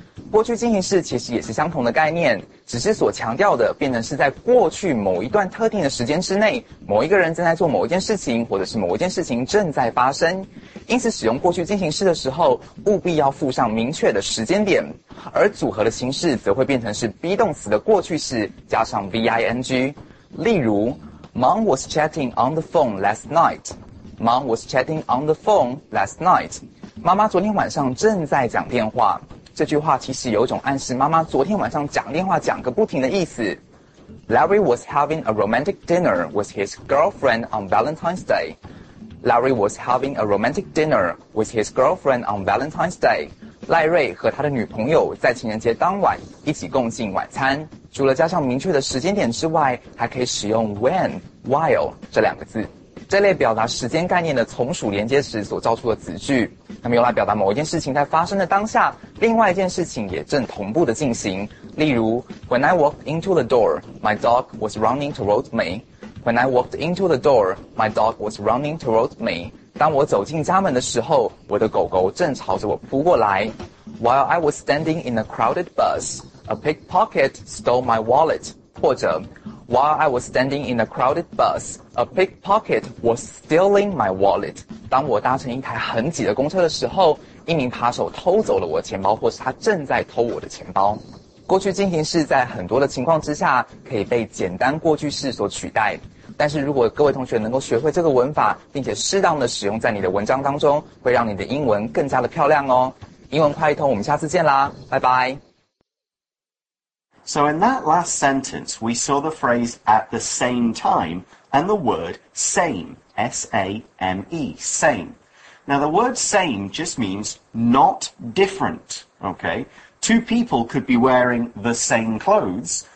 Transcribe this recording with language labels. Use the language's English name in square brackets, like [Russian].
[Chinese] 过去进行式其实也是相同的概念，只是所强调的变成是在过去某一段特定的时间之内，某一个人正在做某一件事情，或者是某一件事情正在发生。因此使用过去进行式的时候，务必要附上明确的时间点，而组合的形式则会变成是 be 动词的过去式加上 ving。例如 [English] ，Mom was chatting on the phone last night. Mom was chatting on the phone last night. [Chinese] 妈妈昨天晚上正在讲电话。这句话其实有一种暗示妈妈昨天晚上讲电话讲个不停的意思。 [English] Larry was having a romantic dinner with his girlfriend on Valentine's Day. Larry was having a romantic dinner with his girlfriend on Valentine's Day. [Chinese] 赖瑞和他的女朋友在情人节当晚一起共进晚餐。除了加上明确的时间点之外，还可以使用 when、while 这两个字。这类表达时间概念的从属连接词所造出的子句，那么用来表达某一件事情在发生的当下，另外一件事情也正同步的进行。例如 [English] ，When I walked into the door, my dog was running towards me. When I walked into the door, my dog was running towards me. [Chinese] 当我走进家门的时候，我的狗狗正朝着我扑过来。 [English] While I was standing in a crowded bus, a pickpocket stole my wallet. [Chinese] 或者 [English] ，While I was standing in a crowded bus, a pickpocket was stealing my wallet. [Chinese] 当我搭乘一台很挤的公车的时候，一名扒手偷走了我的钱包，或是他正在偷我的钱包。过去进行式在很多的情况之下可以被简单过去式所取代，但是如果各位同学能够学会这个文法，并且适当的使用在你的文章当中，会让你的英文更加的漂亮哦。英文快译通，我们下次见啦，拜拜。 [English] So in that last sentence, we saw the phrase at the same time and the word same, S-A-M-E, same. Now the word same just means not different, okay?Two people could be wearing the same clothes,